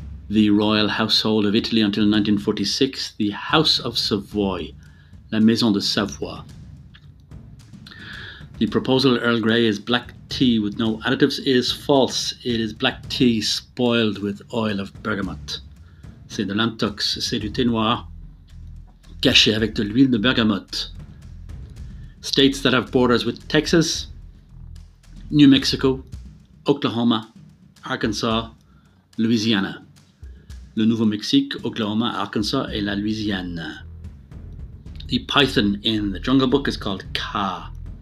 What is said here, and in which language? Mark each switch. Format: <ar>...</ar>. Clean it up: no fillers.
<en>The royal household of Italy until 1946, the House of Savoy, La Maison de Savoie. The proposal Earl Grey is black tea with no additives is false. It is black tea spoiled with oil of bergamot.</en> <fr>C'est de l'antox, c'est du thé noir caché avec de l'huile de bergamote.</fr> <en>States that have borders with Texas, New Mexico, Oklahoma, Arkansas, Louisiana.</en> <fr>Le Nouveau-Mexique, Oklahoma, Arkansas et la Louisiane.</fr> <en>The python in the Jungle Book is called Ka.</en>